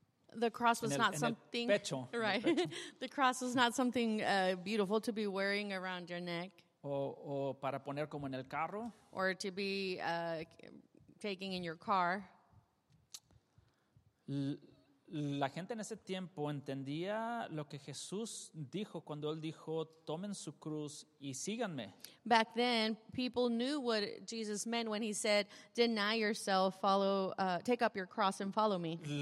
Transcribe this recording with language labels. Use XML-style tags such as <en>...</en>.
<en>The cross was not something</en> <es>pecho,</es> <en>right. The cross was not something beautiful to be wearing around your neck.</en> <es>O para poner como en el carro.</es> <en>Or to be taking in your car.</en> <es>La gente en ese tiempo entendía lo que Jesús dijo cuando él dijo, tomen su cruz y síganme.</es> <en>Back then, people knew what Jesus meant when he said, deny yourself, follow, take up your cross and follow me.</en>